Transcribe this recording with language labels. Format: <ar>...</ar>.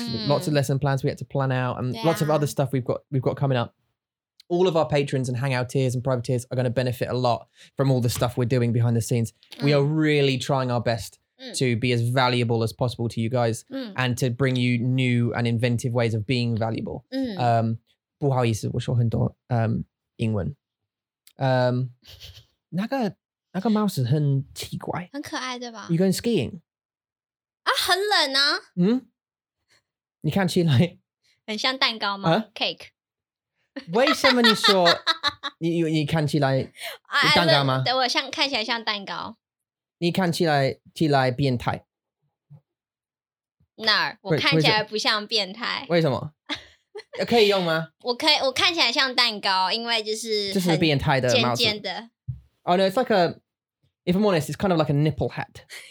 <en>Lots of lesson plans we had to plan out and lots of other stuff we've got coming up. All of our patrons and hangouteers and privateers are going to benefit a lot from all the stuff we're doing behind the scenes. We are really trying our best to be as valuable as possible to you guys and to bring you new and inventive ways of being valuable.</en> <zh>不好意思,我说很多英文. 那个 mouse 很奇怪. 很可爱,对吧?</zh> <en>You going skiing?</en> <zh>啊,很冷啊. 你看起来... 很像蛋糕吗?</zh> <en>Cake.</en> <zh>为什么你说你看起来蛋糕吗? 我看起来像蛋糕。你看起来变态。哪儿? 我看起来不像变态。为什么?可以用吗？我可以，我看起来像蛋糕，因为就是就是变态的尖尖的。</zh> <en>Oh no, it's like a. If I'm honest, it's kind of like a nipple hat.</en>